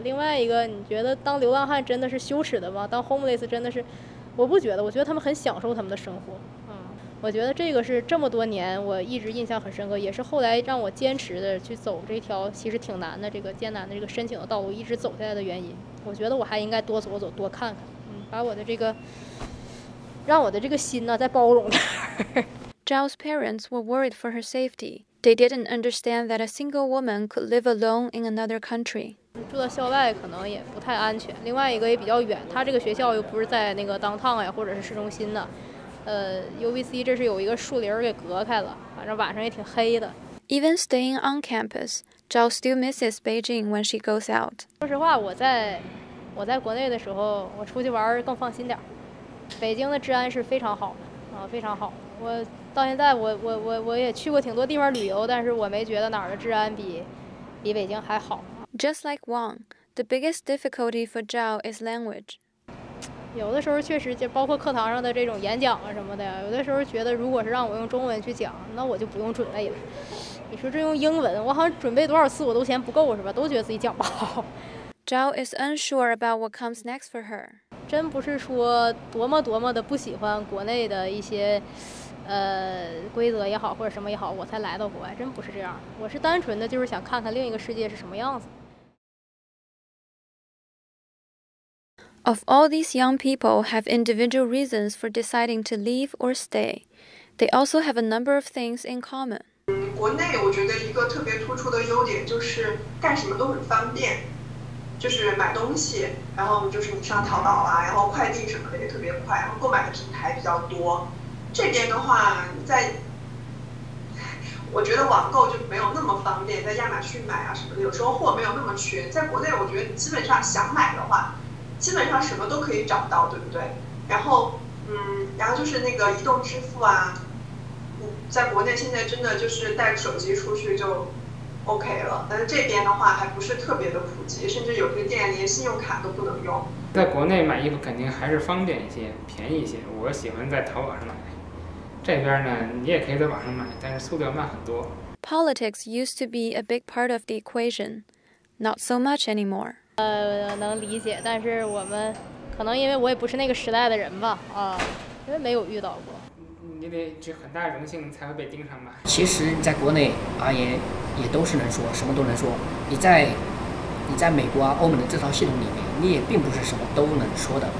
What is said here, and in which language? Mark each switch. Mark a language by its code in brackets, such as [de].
[zh] 另外一个，你觉得当流浪汉真的是羞耻的吗？当 homeless 真的是，我不觉得，我觉得他们很享受他们的生活。嗯，我觉得这个是这么多年我一直印象很深刻，也是后来让我坚持的去走这条其实挺难的这个艰难的这个申请的道路一直走下来的原因。我觉得我还应该多走走多看看，嗯，把我的这个让我的这个心呢再包容点儿。 [en] Zhao's parents were worried for her safety. They didn't understand that a single woman could live alone in another country. [zh] 住到校外可能也不太安全，另外一个也比较远，他这个学校又不是在那个 downtown 呀，或者是市中心的。 UBC 这是有一个树林给隔开了，反正晚上也挺黑的。 [en] Even staying on campus, Zhao still misses Beijing when she goes out. [zh] 说实话，我在国内的时候，我出去玩更放心点。北京的治安是非常好的，非常好。我到现在我也去过挺多地方旅游，但是我没觉得哪儿的治安比北京还好。 [en] Just like Wang, the biggest difficulty for Zhao is language. [zh] 有的时候确实就包括课堂上的这种演讲啊什么的，有的时候觉得如果是让我用中文去讲，那我就不用准备了。你说这用英文，我好像准备多少次我都嫌不够是吧？都觉得自己讲不好。 [en] Zhao is unsure about what comes next for her. [zh] 真不是说多么多么的不喜欢国内的一些规则也好或者什么也好我才来到国外，真不是这样，我是单纯的就是想看看另一个世界是什么样子。 [en] Of all these young people have individual reasons for deciding to leave or stay. They also have a number of things in common. [zh] 国内我觉得一个特别突出的优点就是干什么都很方便，就是买东西，然后就是你上淘宝啊，然后快递什么的也特别快，然后购买的品牌比较多。这边的话，在我觉得网购就没有那么方便，在亚马逊买啊什么的，有时候货没有那么全。在国内，我觉得基本上想买的话，基本上什么都可以找到，对不对？然后就是那个移动支付啊，在国内现在真的就是带着手机出去就 OK 了，但是这边的话还不是特别的普及，甚至有些店连信用卡都不能用。在国内买衣服肯定还是方便一些，便宜一些。我喜欢在淘宝上买。这边呢，你也可以在网上买，但是速度要慢很多。 [en] Politics used to be a big part of the equation, not so much anymore. [zh] 能理解，但是我们可能因为我也不是那个时代的人吧，因为没有遇到过。你得这很大荣幸才会被盯上吧？其实你在国内而言，也都是能说，什么都能说。你在美国啊、欧盟的这套系统里面，你也并不是什么都能说的。